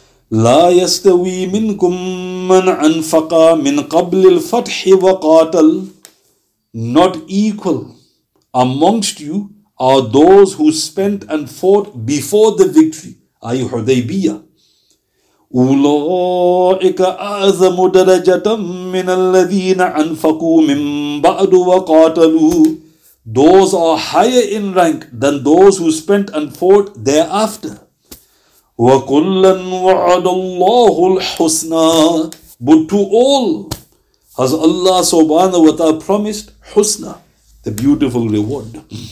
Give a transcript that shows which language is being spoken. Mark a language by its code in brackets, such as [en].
[ar] لا يستوي منكم من أنفق من قبل الفتح وقاتل [en] Not equal amongst you are those who spent and fought before the victory. [ar] Ay Hudaybiyah. أولئك أعظم درجة من الذين أنفقوا من بعد وقاتلوا [en] Those are higher in rank than those who spent and fought thereafter. [ar] وَكُلًّا وَعَدَ اللَّهُ الْحُسْنَى [en] But to all has Allah subhanahu wa ta'ala promised husna, the beautiful reward.